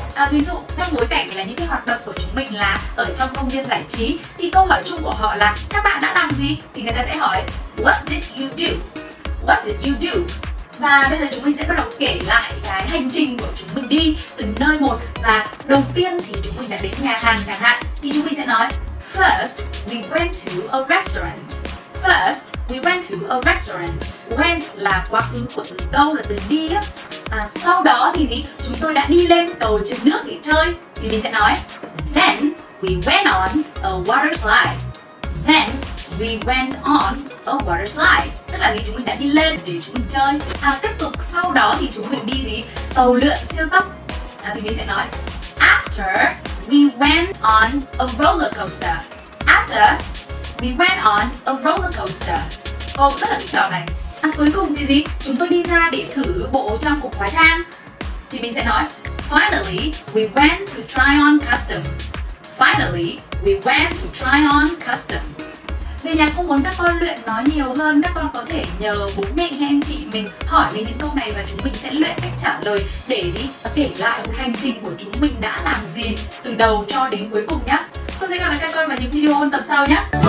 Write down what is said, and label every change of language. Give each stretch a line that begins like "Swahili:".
Vietnamese: Ví dụ trong bối cảnh là những cái hoạt động của chúng mình là ở trong công viên giải trí, thì câu hỏi chung của họ là các bạn đã làm gì, thì người ta sẽ hỏi
English: What did you do? What did you do?
Vietnamese: Và bây giờ chúng mình sẽ bắt đầu kể lại cái hành trình của chúng mình đi từ nơi một. Và đầu tiên thì chúng mình đã đến nhà hàng chẳng hạn, thì chúng mình sẽ nói
English: First, we went to a restaurant. First, we went to a restaurant.
Vietnamese: Went là quá khứ của từ go, là từ đi á. Sau đó thì gì? Chúng tôi đã đi lên cầu trượt nước để chơi. Thì mình sẽ nói
English: Then, we went on a water slide. Then, we went on a water slide.
Vietnamese: Tức là gì? Chúng mình đã đi lên để chúng mình chơi. Tiếp tục sau đó thì chúng mình đi gì? Tàu lượn siêu tốc. Thì mình sẽ nói
English: After, we went on a roller coaster. After, we went on a roller coaster.
Vietnamese: Câu rất là thích trò này. Cuối cùng thì gì? Chúng tôi đi ra để thử bộ trang phục hóa trang. Thì mình sẽ nói
English: Finally, we went to try on custom. Finally, we went to try on custom.
Vietnamese: Về nhà cũng muốn các con luyện nói nhiều hơn, các con có thể nhờ bố mẹ hay anh chị mình hỏi về những câu này và chúng mình sẽ luyện cách trả lời để đi kể lại một hành trình của chúng mình đã làm gì từ đầu cho đến cuối cùng nhé. Con sẽ gặp lại các con vào những video ôn tập sau nhé.